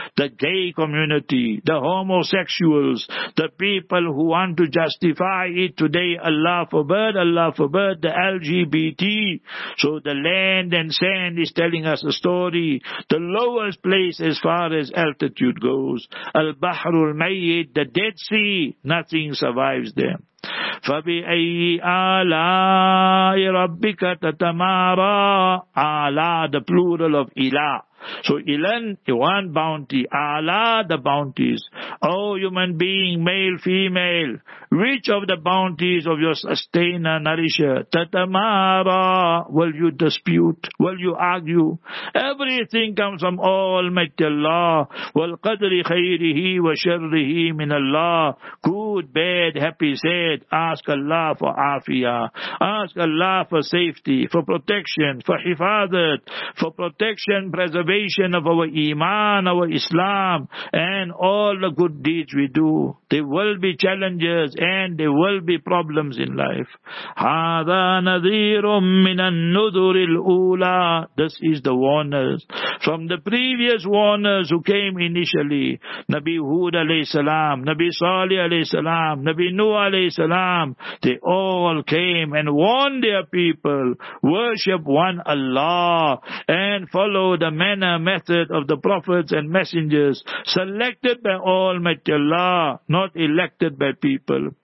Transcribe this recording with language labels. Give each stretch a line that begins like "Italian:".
English: The gay community, the homosexuals, the people who want to justify it today. Allah forbid, the LGBT. So the land and sand is telling us a story. The lowest place as far as altitude goes. Al-Bahrul Mayyit, the Dead Sea, nothing survives there.
Arabic: فَبِأَيِّ آلَاءِ رَبِّكَ تَتَمَارَى آلَاء,
English: the plural of
Arabic: إِلَاء.
English: So ilan, one bounty, Allah, the bounties. Oh, human being, male, female, which of the bounties of your sustainer, nourisher, tatamara, will you dispute, will you argue? Everything comes from Almighty Allah.
Arabic: Wal qadri khayrihi wa sharrihi min Allah.
English: Good, bad, happy, sad. Ask Allah for afiyah. Ask Allah for safety, for protection, for hifadat, for protection, preservation of our iman, our Islam, and all the good deeds we do. There will be challenges and there will be problems in life.
Arabic: هذا نذير من النذر الأولى.
English: This is the warners from the previous warners who came initially. Nabi Hud alayhi salam, Nabi Salih alayhi salam, Nabi Nuh alayhi salam. They all came and warned their people, worship one Allah and follow the man method of the prophets and messengers, selected by Almighty Allah, not elected by people.